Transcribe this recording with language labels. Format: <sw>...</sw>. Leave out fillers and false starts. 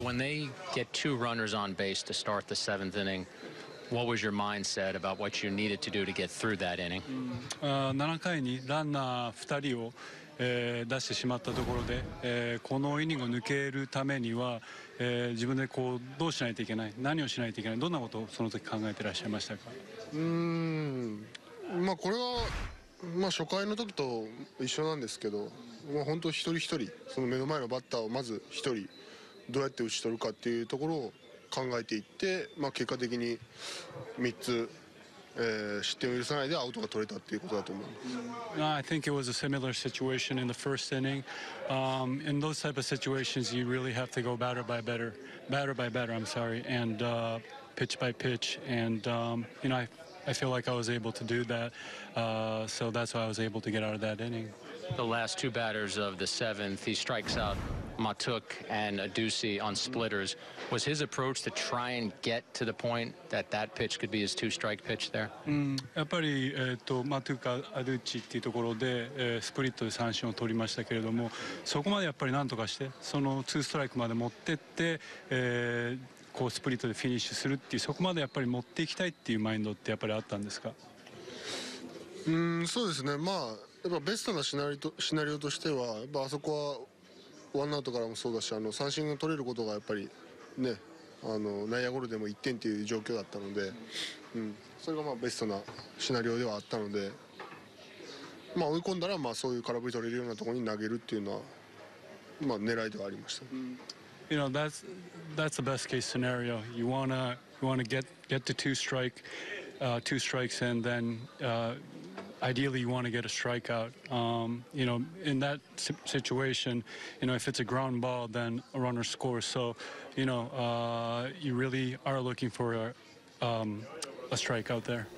<en>When they get two runners on base to start the seventh inning, what was your mindset about what you needed to do to get through that inning?</en> <ja>7回にランナー2人を、出してしまったところで、このイニングを抜けるためには、自分でこうどうしないといけない、何をしないといけない、どんなことをその時考えていらっしゃいましたか？まあ、これは、まあ、初回の時と一緒なんですけど、まあ、本当一人一人、その目の前のバッターをまず一人どうやって打ち取るかっていうところを考えていって、まあ、結果的に3つ、失点を許さないでアウトが取れたっていうことだと思います。</ja> <en>I think it was a similar situation in the first inning. In those type of situations, you really have to go batter by batter, and pitch by pitch. And you know, I feel like I was able to do that. So that's why I was able to get out of that inning. The last two batters of the seventh, he strikes outMatuk and Adusi on splitters. Was his approach to try and get to the point that that pitch could be his two-strike pitch there?</en> <ja>やっぱり、Matuk、Adusi っていうところで、スプリットで三振を取りましたけれども、そこまでやっぱりなんとかして、そのツーストライクまで持ってって、こうスプリットでフィニッシュするっていう、そこまでやっぱり持っていきたいっていうマインドってやっぱりあったんですか？そうですね。まあ、やっぱベストなシナリオとしては、やっぱあそこはワンアウトからもそうだし、あの三振が取れることがやっぱりね、あの内野ゴロでも1点という状況だったので、それがまあベストなシナリオではあったので、まあ、追い込んだらまあそういう空振り取れるようなところに投げるっていうのは、まあ、狙いではありました。</ja> <en>You know, that's the best case scenario. You wanna get to two strikes and then ideally you want to get a strikeout. You know, in that situation, you know, if it's a ground ball, then a runner scores. So, you know, you really are looking for a strikeout there.</en>